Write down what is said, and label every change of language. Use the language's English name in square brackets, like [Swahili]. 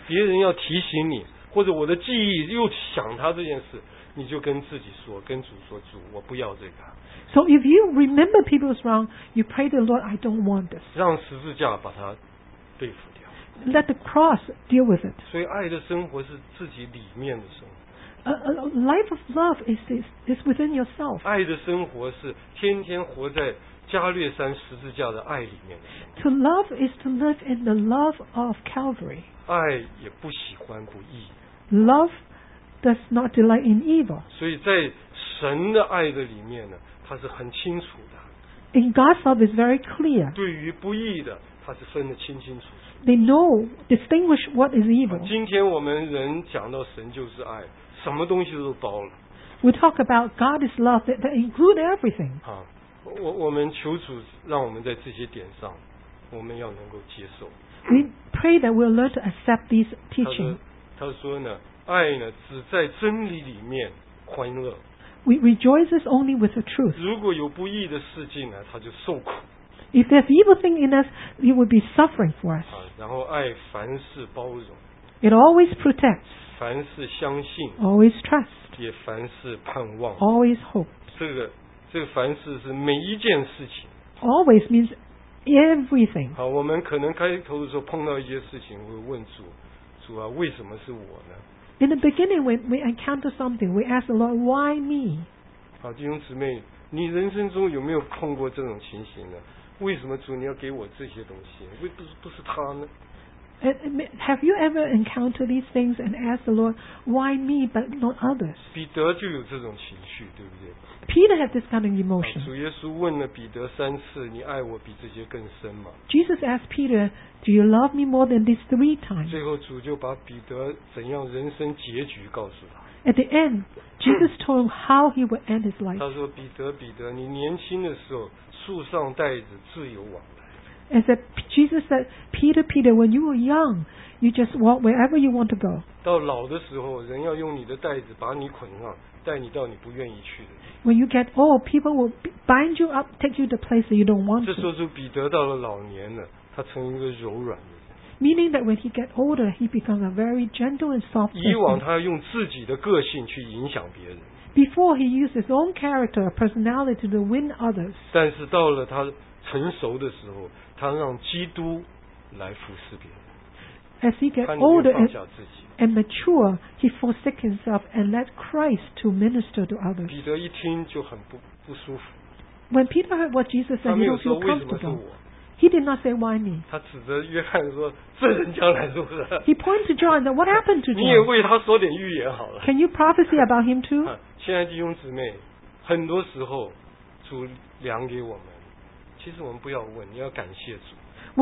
[Chinese] 别人要提醒你，或者我的记忆又想他这件事，你就跟自己说，跟主说，主，我不要这个。 [English] So if you remember people's wrong, you pray to the Lord, I don't want this. [Chinese] 让十字架把它对付掉。 [English] Let the cross deal with it. [Chinese] 所以爱的生活是自己里面的生活。 [English] A life of love is within yourself. [Chinese] 爱的生活是天天活在。加略山十字架的爱里面。 [English] To love is to live in the love of Calvary. [Chinese] 爱也不喜欢不义。 [English] Love does not delight in evil. [Chinese] 所以在神的爱的里面呢，它是很清楚的。 [English] In God's love is very clear. [Chinese] 对于不义的，它是分得清清楚楚。 [English] They know distinguish what is evil. [Chinese] 今天我们人讲到神就是爱，什么东西都包了。 [English] We talk about God is love that include everything. [Chinese] 我们求主让我们在这些点上，我们要能够接受。 [English] We pray that we'll learn to accept these teachings. [Chinese] 他说呢，爱呢只在真理里面欢乐。 [English] We rejoice only with the truth. [Chinese] 如果有不义的事情呢，他就受苦。 [English] If there's evil thing in us, he would be suffering for us. [Chinese] 然后爱凡事包容。 [English] It always protects. [Chinese] 凡事相信。 [English] Always trust. [Chinese] 也凡事盼望。 [English] Always hope. [Chinese] 这个凡事是每一件事情 [English] ，always means everything。 [Chinese] 好，我们可能开头的时候碰到一些事情，会问主，主啊，为什么是我呢 [English] ？In the beginning, when we encounter something, we ask the Lord, "Why me?" [Chinese] 好，弟兄姊妹，你人生中有没有碰过这种情形呢？为什么主你要给我这些东西？为不是他呢 [English] Have you ever encountered these things and asked the Lord, why me but not others? [Chinese] 彼得就有这种情绪，对不对？ [English] Peter had this kind of emotion. [Chinese] 主耶稣问了彼得三次，你爱我比这些更深吗？ [English] Jesus asked Peter, do you love me more than these three times? [Chinese] 最后主就把彼得怎样人生结局告诉他。 [English] At the end, Jesus told him how he would end his life. [Chinese] 他说，彼得，彼得，你年轻的时候，树上带着自由往。 [English] And said, Jesus said, Peter, Peter, when you were young, you just walk wherever you want to go. [Chinese] 到老的时候，人要用你的带子把你捆上，带你到你不愿意去的。 [English] When you get old, people will bind you up, take you to places you don't want to. [Chinese] 这时候就彼得到了老年了，他成一个柔软的。 [English] Meaning that when he get older, he becomes a very gentle and soft person. [Chinese] 以往他用自己的个性去影响别人。 [English] Before he used his own character, personality to win others. [Chinese] 但是到了他成熟的时候，他让基督来服侍别人。 [English] As he gets older and mature, he forsakes himself and let Christ to minister to others. [Chinese] 彼得一听就很 不舒服。 [English] When Peter heard what Jesus said, he didn't feel comfortable. He did not say why me. [Chinese] 他指着约翰说：“这人将来如何？” [English] He pointed to John. What happened to John? [Chinese] 你也为他说点预言好了。 [English] Can you prophesy about him too? [Chinese] 亲爱的弟兄姊妹，很多时候主量给我们。其实我们不要问，你要感谢主。